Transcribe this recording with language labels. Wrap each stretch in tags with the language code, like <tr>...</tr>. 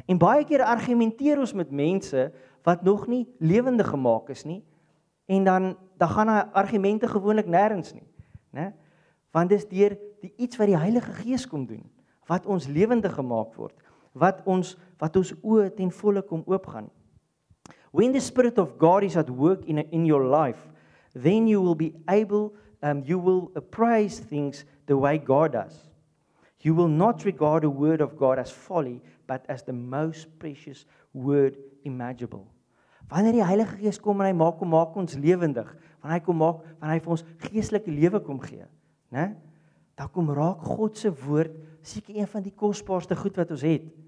<af>En baie keer argumenteer ons met mense wat nog nie lewendig gemaak is nie en dan gaan daai argumente gewoonlik nêrens nie, né? Want dis deur die iets wat die Heilige Gees kom doen wat ons lewendig gemaak word, wat ons oë ten volle kom oopgaan.</af> <en>When the Spirit of God is at work in your life, then you will be able, you will appraise things the way God does. You will not regard the word of God as folly, but as the most precious word imaginable.</en> <af>Wanneer die Heilige Gees kom en hy maak ons lewendig, wanneer hy vir ons geestelike lewe kom gee, né? Dan kom raak God se woord seker een van die kosbaarste goed wat ons het.</af>